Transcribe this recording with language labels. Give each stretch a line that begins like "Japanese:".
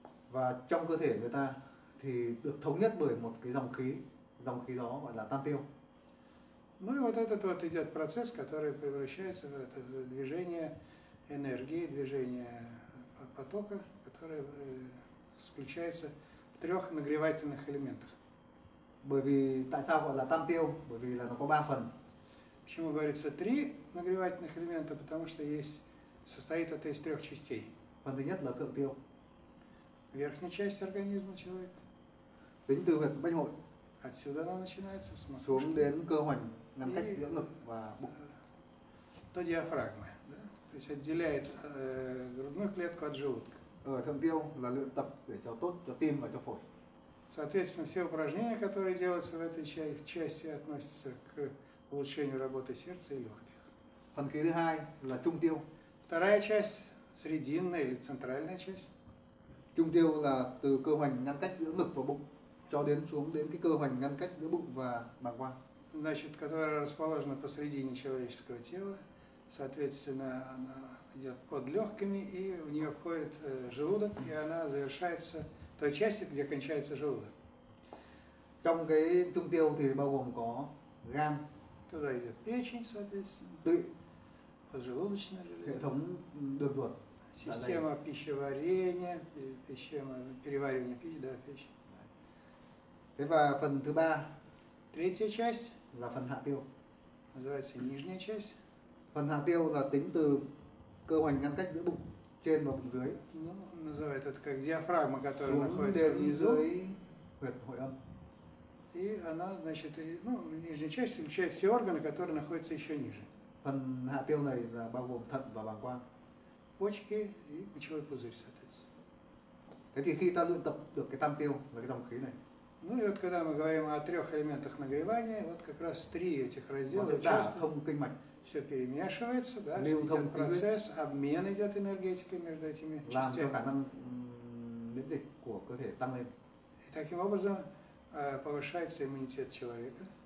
Vietnamese: Và trong cơ thể người ta thì được thống nhất bởi một cái dòng khí đó gọi là tam tiêu.
Russian: Ну и вот этот вот идет процесс, который превращается в это движение энергии, движение потока, которая заключается в трех нагревательных элементах.
Vietnamese: Bởi vì tại sao gọi là tam tiêu? Bởi vì là nó có ba phần.
Russian: Почему говорится три нагревательных элемента? Потому что есть состоит это из трех частей.
Vietnamese: Phần thứ nhất là thượng tiêu.
Russian: Верхняя часть организма человека.
Vietnamese: Tính từ huyệt bách hội.
Russian: Отсюда она начинается. Смотри.
Vietnamese: Xuống đến cơ hoành, ngăn cách dưỡng lực và bụng.
Russian: То диафрагма, да? То есть отделяет грудную клетку от желудка.
Vietnamese: Ở thượng tiêu là luyện tập để cho tốt cho tim và cho phổi.
Russian: Соответственно, все упражнения, которые делаются в этой части, относятся к улучшению работы сердца и легких.
Vietnamese: Phần khí thứ hai là trung tiêu.
Russian: Вторая часть, срединная или центральная часть.
Vietnamese: Trung tiêu là từ cơ hoành ngăn cách giữa ngực và bụng cho đến xuống đến cái cơ hoành ngăn cách giữa bụng và bàng quang.
Russian: Значит, которая расположена посредине человеческого тела, соответственно, она идет под легкими, и в нее входит желудок, и она завершается той части, где кончается желудок.
Vietnamese: Trong cái trung tiêu thì bao gồm có gan.
Russian: Туда идет печень, соответственно.
Vietnamese: Tụy.
Russian: Поджелудочная железа.
Vietnamese: Hệ thống đường ruột.
Russian: Система пищеварения, система переваривания пищи, да, печень.
Vietnamese: Thế và phần thứ ba.
Russian: Третья часть.
Vietnamese: Là phần hạ tiêu.
Russian: Называется нижняя часть.
Vietnamese: Phần hạ tiêu là tính từ cơ hoành ngăn cách giữa bụng trên và bụng dưới.
Russian: Ну, называют это как диафрагма, которая
Vietnamese: xuống
Russian: находится внизу.
Vietnamese: Dưới huyệt hội âm.
Russian: И она, значит, ну, нижняя часть включает все органы, которые находятся еще ниже.
Vietnamese: Phần hạ tiêu này là bao gồm thận và bàng quang.
Russian: Почки и мочевой пузырь, соответственно.
Vietnamese: Thế thì khi ta luyện tập được cái tam tiêu và cái dòng khí này.
Russian: Ну и вот когда мы говорим о трех элементах нагревания, вот как раз три этих раздела часто все перемешивается, да, идет процесс, обмен идет энергетикой между этими частями. И таким образом повышается иммунитет человека.